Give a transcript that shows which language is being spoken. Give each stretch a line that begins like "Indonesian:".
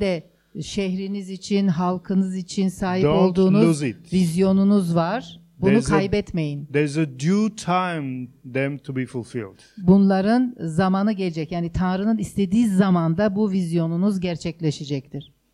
Turkish: De şehriniz için, halkınız için sahip
English: don't
Turkish: olduğunuz vizyonunuz var. Bunu kaybetmeyin.
English: There's a due time them to be fulfilled.
Turkish: Bunların zamanı gelecek. Yani Tanrı'nın istediği zamanda bu vizyonunuz gerçekleşecektir.